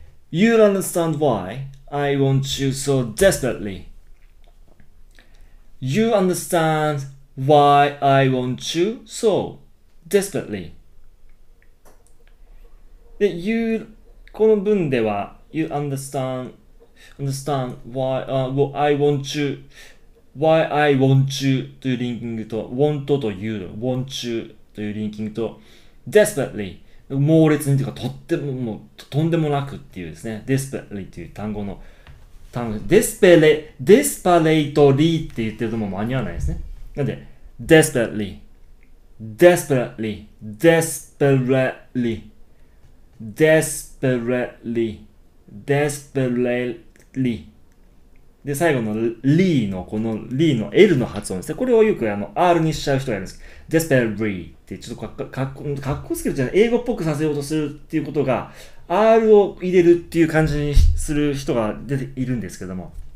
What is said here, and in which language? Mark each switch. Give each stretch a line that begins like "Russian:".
English: You don't understand why I want you so desperately. You understand why I want you so desperately.
Japanese: で、you, この文では、
English: you understand why,、I want you,
Japanese: why I want you というリンキングと、want と you, want you というリンキングと、desperately, 猛烈にというか、とってももう、とんでもなくっていうですね、desperately という単語の、単語、desperately って言ってるとも間に合わないですね。
English: なんで、desperately, desperately, desperately,Desperately, desperately.
Japanese: で、最後のリーの、このリーの L の発音ですね。これをよくあの R にしちゃう人がいるんです。Desperately ってちょっとかっこつけるじゃない。英語っぽくさせようとするっていうことが、R を入れるっていう感じにする人が出ているんですけども。